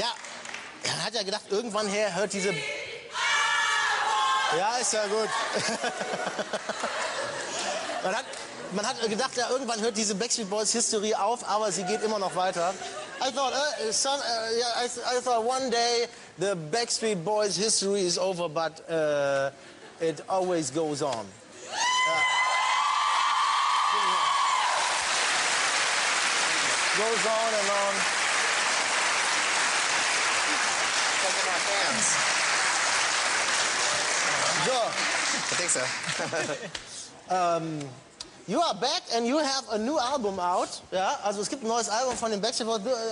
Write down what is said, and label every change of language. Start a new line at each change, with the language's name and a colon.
German: Ja, er hat ja gedacht, irgendwann her hört diese. Ja, ist ja gut. Man hat gedacht, ja, irgendwann hört diese Backstreet Boys History auf, aber sie geht immer noch weiter.
English: I thought one day the Backstreet Boys History is over, but it always goes on. Goes on and on. So. I think so. You are back and you have a new album out.
German: Yeah, also es gibt ein neues Album von den Backstreet Boys.